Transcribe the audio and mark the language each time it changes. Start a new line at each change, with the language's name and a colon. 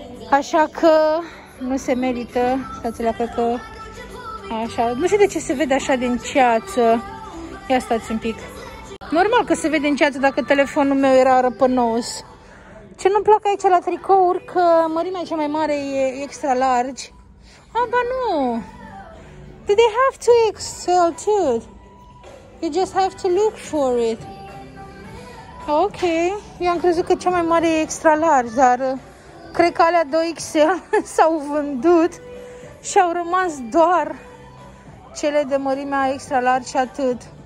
Romanian: Așa că nu se merită. Stați la că așa. Nu știu de ce se vede așa din ceață. Ia stați un pic. Normal că se vede în ceață dacă telefonul meu era răpănos. Ce nu-mi plac aici la tricouri, că mărimea cea mai mare e extra large. Ah, ba nu!
English: Do they have to excel too? You just have to look for it.
Romanian: Ok. Eu am crezut că cea mai mare e extra large, dar cred că alea 2XL s-au vândut și au rămas doar cele de mărimea extra large și atât.